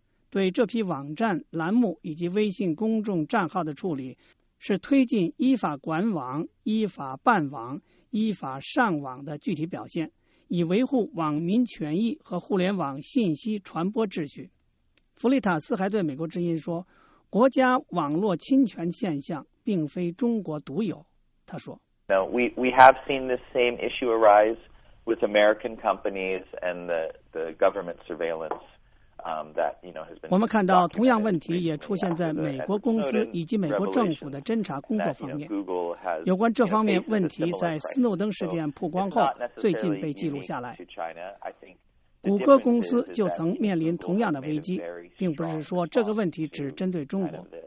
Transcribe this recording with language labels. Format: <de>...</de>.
<zh>对这批网站栏目以及微信公众账号的处理，是推进依法管网、依法办网、依法上网的具体表现，以维护网民权益和互联网信息传播秩序。弗雷塔斯还对美国之音说，国家网络侵权现象并非中国独有。他说，</zh> <en>No, we have seen this same issue arise with American companies and the government surveillance that you know has been.</en> <zh>我们看到同样问题也出现在美国公司以及美国政府的侦查工作方面。有关这方面问题在斯诺登事件曝光后最近被记录下来。谷歌公司就曾面临同样的危机，并不是说这个问题只针对中国。</zh>